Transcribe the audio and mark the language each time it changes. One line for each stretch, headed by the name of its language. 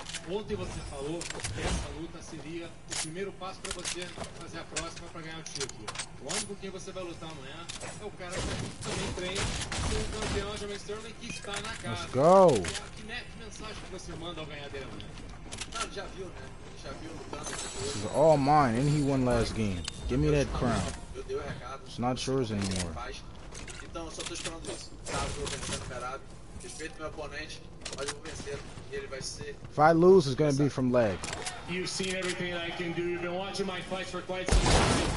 Portuguese: Ontem você falou que essa luta seria o primeiro passo para você fazer a próxima para ganhar o título. O homem com quem você vai lutar amanhã é o cara que também treina com o campeão Jermaine Sterling que está na casa.
English: Let's go!
Portuguese: Que mensagem que você manda ao ganhador amanhã? Cara, já viu, né? Já viu lutando.
English: This is all mine, and he won last game. Give me that crown. It's not yours anymore.
Portuguese: Então, só estou esperando isso. Sabe, estou vencendo o caralho. Respeito meu oponente.
English: If I lose, it's gonna be from leg. You've seen everything I can do. You've been watching my fights for quite some time.